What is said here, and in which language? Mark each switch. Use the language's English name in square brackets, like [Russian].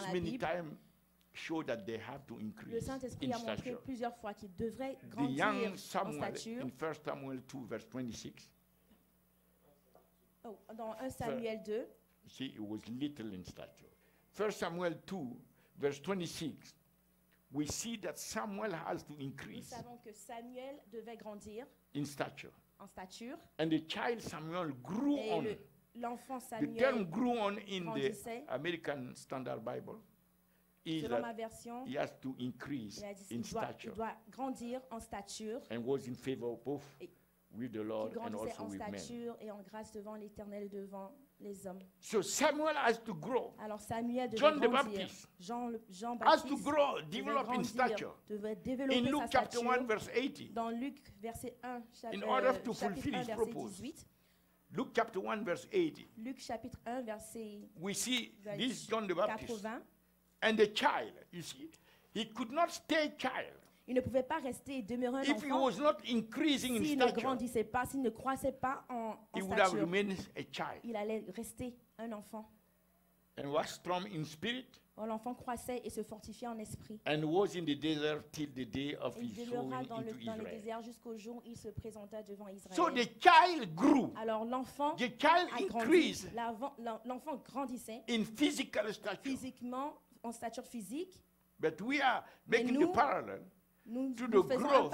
[English] Ghost many times show that they have to increase. [French] Le Saint-Esprit a montré plusieurs fois qu'ils devraient grandir [English] en stature. [French] The young [English] Samuel in 1 Samuel 2 verse 26. [French] Oh, dans 1 Samuel 2. [English] See, it was little in stature. 1 Samuel 2 verse 26. We see that Samuel has to increase. [French] Nous savons que Samuel devait grandir [English] in stature. [French] En stature. [English] And the child Samuel grew [French] et [English] on. [French] L'enfant Samuel [English] the term grew on in the American Standard Bible is [French] selon ma version, [English] he has to increase [French] il [English] in stature. [French] Il doit grandir en stature. [English] And was in favor both with the Lord and also with men. [French] En stature et en grâce devant l'Éternel et devant les hommes. [English] So Samuel has to grow. [French] Alors Samuel devait [English] John [French] grandir. [English] The Baptist [French] Jean [English] has to grow, develop [French] grandir, [English] in stature. [French] Devait développer [English] in Luke [French] sa stature. [English] Chapter 1, verse 80. [French] Dans Luc, verset 1, [English] in order to [French] chapitre [English] fulfill [French] 1, [English] his purpose. Luke chapter 1, verse 80. [French] Luc chapitre 1, verset. [English] We see this John the Baptist [French] 80. [English] And the child. You see, he could not stay child. [French] Il ne pouvait pas rester demeurer un [English] if [French] enfant. [English] If he was not increasing [French] s'il [English] in stature, [French] ne grandissait pas, s'il ne croissait pas en [English] he [French] stature, [English] would have remained a child. [French] Il allait rester un enfant. [English] And was strong in spirit. [French] Or, l'enfant croissait et se fortifiait en esprit. [English] And was in the desert till the day of his sojourn into Israel. [French] Il demeura dans le désert jusqu'au jour où il se présenta devant Israël. [English] So the child grew. [French] Alors l'enfant [English] the child [French] a [English] increased. [French] Grandi. L'enfant grandissait. [English] In physical stature. [French] Physiquement, en stature physique. [English] But we are making [French] nous, [English] the parallel. [French] Nous, [English] to [French] nous [English] the [French] faisons [English] growth,